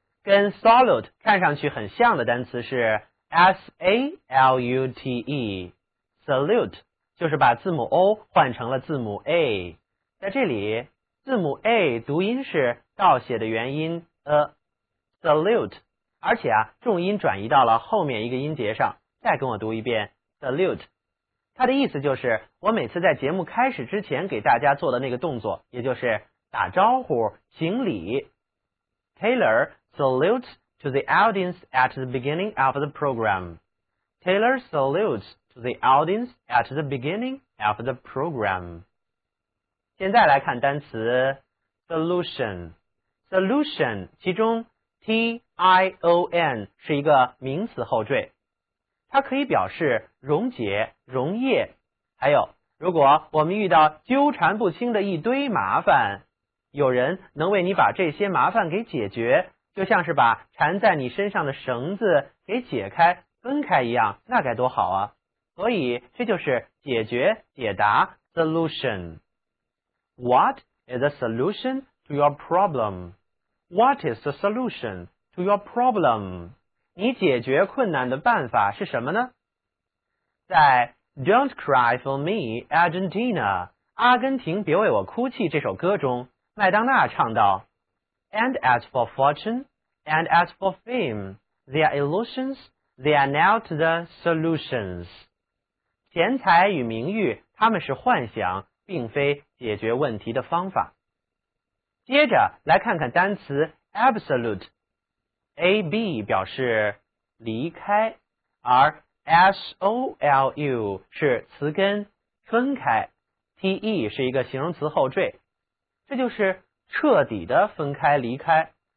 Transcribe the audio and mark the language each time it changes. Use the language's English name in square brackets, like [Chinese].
[Chinese] 跟 solute 看上去很像的单词是 salute， salute 就是把字母 o 换成了字母 a， 在这里字母 a 读音是倒写的元音 a。 Salute， 而且啊，重音转移到了后面一个音节上。再跟我读一遍 Salute， 它的意思就是我每次在节目开始之前给大家做的那个动作，也就是打招呼、行礼。 [English] Taylor salutes to the audience at the beginning of the program. Taylor salutes to the audience at the beginning of the program. [Chinese] 现在来看单词 [English] Solution。 [Chinese] solution 其中 tion 是一个名词后缀，它可以表示溶解、溶液。还有如果我们遇到纠缠不清的一堆麻烦，有人能为你把这些麻烦给解决，就像是把缠在你身上的绳子给解开分开一样，那该多好啊。所以这就是解决、解答 solution。 [English] What is the solution to your problem? What is the solution to your problem? [Chinese] 你解决困难的办法是什么呢？在 Don't Cry For Me Argentina 阿根廷别为我哭泣这首歌中，麦当娜唱道， [English] And as for fortune, and as for fame, they are illusions, they are not the solutions. [Chinese] 钱财与名誉，他们是幻想，并非解决问题的方法。接着来看看单词 absolute。AB 表示离开，而 SOLU 是词根分开， TE 是一个形容词后缀，这就是彻底的分开离开。